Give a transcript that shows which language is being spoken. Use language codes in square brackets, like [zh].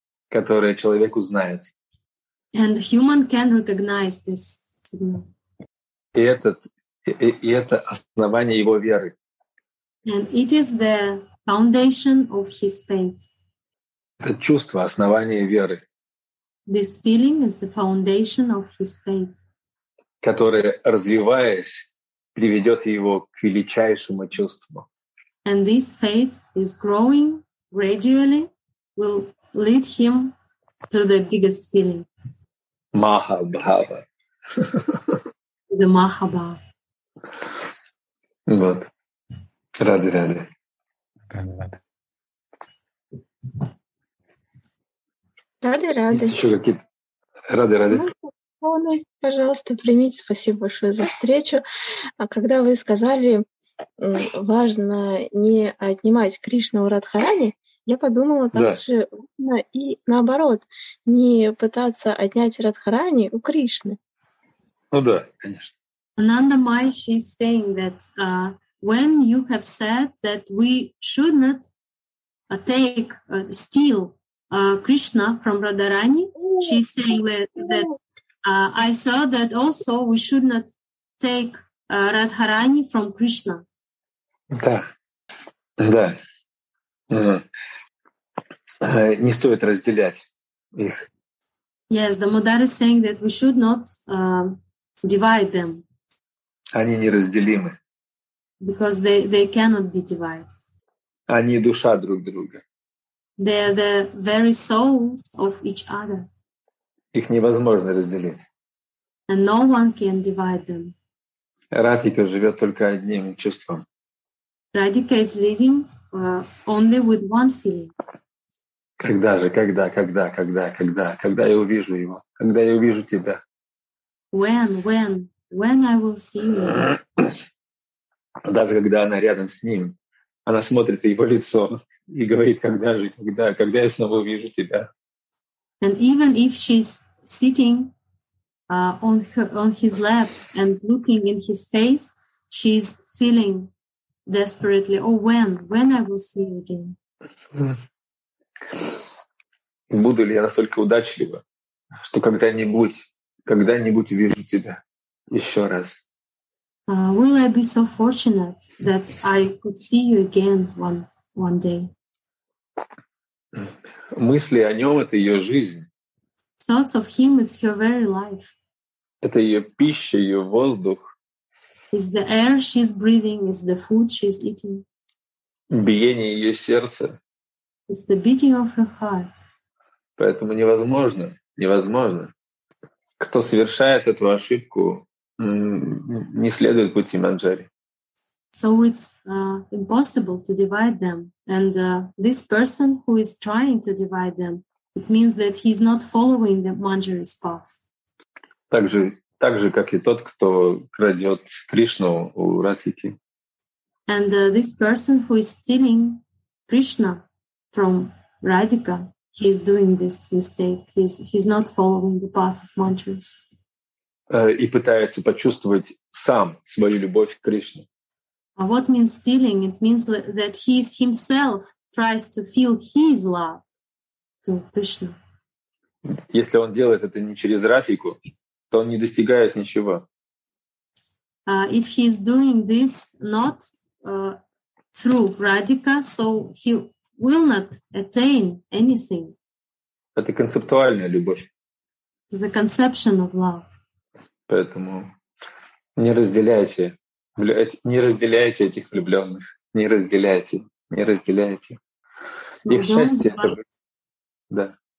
[ru] Которое человек узнает. [en] And human can recognize this signal. [ru] И это основание его веры. [en] And it is the foundation of his faith. [ru] Это чувство, основание веры. [en] This feeling is the foundation of his faith. [ru] Которое, развиваясь, приведет его к величайшему чувству. [en] And this faith is growing gradually, will lead him to the biggest feeling. [ru] Махабхава. [en] The Махабхава. [ru] Вот. Рады. Рады. Еще какие-то? Рады. Пожалуйста, примите. Спасибо большое за встречу. А когда вы сказали, важно не отнимать Кришну у Радхарани, Я подумала также и наоборот, не пытаться отнять Радхарани у Кришны. Ну да, конечно. [en] Ananda Mai, she's saying that when you have said that we should not take, steal Krishna from Radharani, she's saying that I saw that also we should not take Radharani from Krishna. [ru] Да, да. Не стоит разделять их. [en] Yes, the Mother is saying that we should not divide them. [ru] Они неразделимы. [en] Because they cannot be divided. [ru] Они душа друг друга. [en] They are the very souls of each other. [ru] Их невозможно разделить. [en] And no one can divide them. [ru] Радхика живет только одним чувством. [en] Radhika is living only with one feeling. [ru] Когда же, когда я увижу его, когда я увижу тебя? [en] When I will see you? [ru] Даже когда она рядом с ним, она смотрит в его лицо и говорит, когда же, когда я снова увижу тебя? [en] And even if she's sitting on his lap and looking in his face, she's feeling desperately, when I will see you again? [ru] Буду ли я настолько удачлива, что когда-нибудь увижу тебя еще раз? [en] Will I be so fortunate that I could see you again one day? [ru] Мысли о нем — это ее жизнь. [en] Thoughts of him is her very life. [ru] Это ее пища, ее воздух. [en] Is the air she's breathing, is the food she's eating. [ru] Биение ее сердца. [en] It's the beating of her heart. [ru] Поэтому невозможно. Кто совершает эту ошибку, не следует пути Манджари. [en] So it's impossible to divide them. And this person who is trying to divide them, it means that he's not following the Manjari's path. [ru] Так же, как и тот, кто крадет Кришну у Радхики. [en] And this person who is stealing Krishna from Radhika, he is doing this mistake. He's not following the path of mantras. [ru] И пытается почувствовать сам свою любовь к Кришне. [en] What means stealing? It means that he himself tries to feel his love to Krishna. [ru] Если он делает это не через Радхику, то он не достигает ничего. [en] If he is doing this not through Radhika, so he will not attain anything. [ru] Это концептуальная любовь. [en] It's a conception of love. [ru] Поэтому не разделяйте этих влюбленных. Не разделяйте. [en] So [ru] их счастье — это... Да.